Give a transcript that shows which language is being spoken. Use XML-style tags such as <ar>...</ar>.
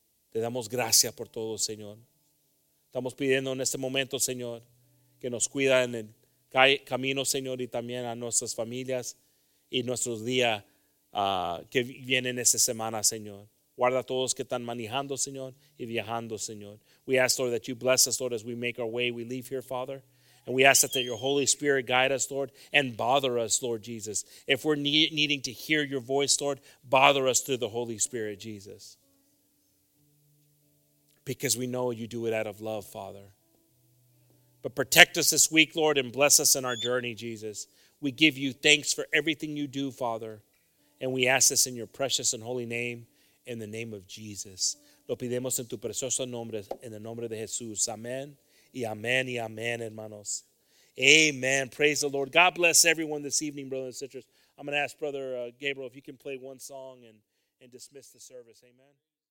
<es>Te damos gracias por todo, Señor. Estamos pidiendo en este momento, Señor, que nos cuida en el camino, Señor, y también a nuestras familias y nuestros días que vienen esta semana, Señor. Guarda a todos que están manejando, Señor, y viajando, Señor.</es> <en>We ask, Lord, that you bless us, Lord, as we make our way, we leave here, Father. And we ask that your Holy Spirit guide us, Lord, and bother us, Lord Jesus. If we're needing to hear your voice, Lord, bother us through the Holy Spirit, Jesus. Because we know you do it out of love, Father. But protect us this week, Lord, and bless us in our journey, Jesus. We give you thanks for everything you do, Father. And we ask this in your precious and holy name, in the name of Jesus.</en> <es>Lo pedimos en tu precioso nombre, en el nombre de Jesús. Amen. Y amen, hermanos. Amen.</es> <en>Praise the Lord. God bless everyone this evening, brothers and sisters. I'm going to ask Brother Gabriel if you can play one song and dismiss the service. Amen.</en>